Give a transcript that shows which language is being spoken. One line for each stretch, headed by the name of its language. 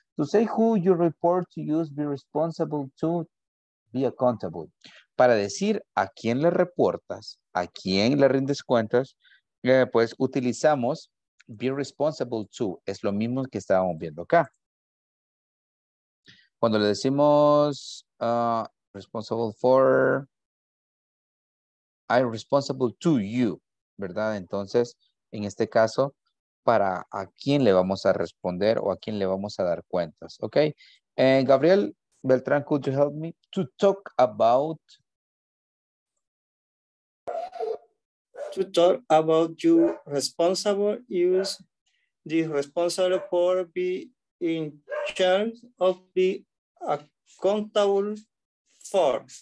English: To say who you report to use be responsible to, be accountable.
Spanish: Para decir a quién le reportas, a quién le rindes cuentas, pues utilizamos be responsible to. Es lo mismo que estábamos viendo acá. Cuando le decimos responsible for,
English: I'm responsible to you,
Spanish: ¿verdad? Entonces, en este caso, para a quién le vamos a responder o a quién le vamos a dar cuentas, ¿ok?
English: Gabriel Beltrán, could you help me to talk about? To talk about you responsible, use the responsible for, be in charge of, be accountable for.